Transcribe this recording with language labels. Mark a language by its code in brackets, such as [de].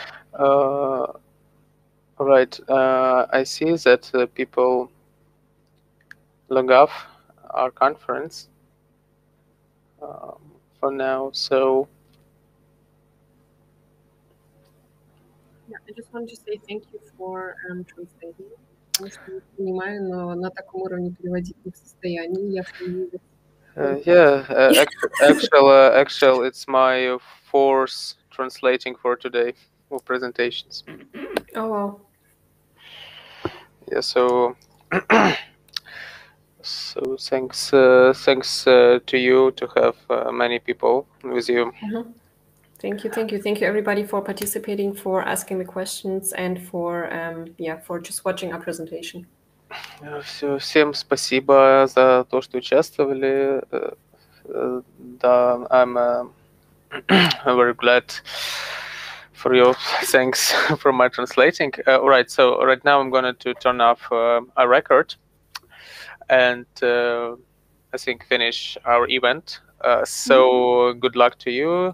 [en] Right, I see that people log off our conference for now, so. Yeah, I just wanted to say thank you for translating. [ru] понимаю, но на таком уровне переводить не в состоянии. Я [en] Actually, it's my fourth translating for today of presentations. Oh, wow. Yeah, so thanks to you to have many people with you. Mm-hmm. Thank you everybody for participating, for asking the questions, and for just watching our presentation. [ru] Все, всем спасибо за то, что участвовали. [en] Да, I'm very glad for your thanks for my translating. Right, so right now I'm going to turn off a record and I think finish our event. So good luck to you.